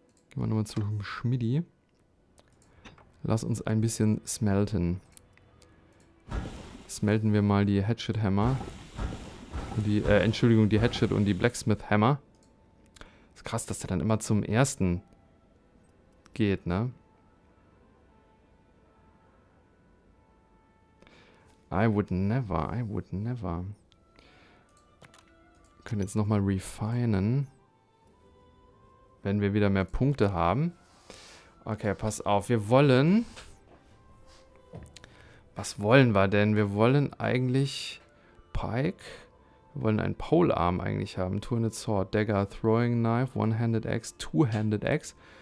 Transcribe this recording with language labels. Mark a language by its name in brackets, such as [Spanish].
[German] Gehen wir nochmal zu Schmiedi. Lass uns ein bisschen smelten. Smelten wir mal die Hatchet Hammer. Entschuldigung, die Hatchet und die Blacksmith Hammer. Ist krass, dass der dann immer zum ersten geht, ne? [English] I would never, I would never. [German] Können jetzt nochmal refinen. Wenn wir wieder mehr Punkte haben. Okay, pass auf. Wir wollen. Was wollen wir denn? Wir wollen eigentlich Pike. Wir wollen einen Polearm eigentlich haben. Two-handed Sword, Dagger, Throwing Knife, One-handed Axe, Two-handed Axe.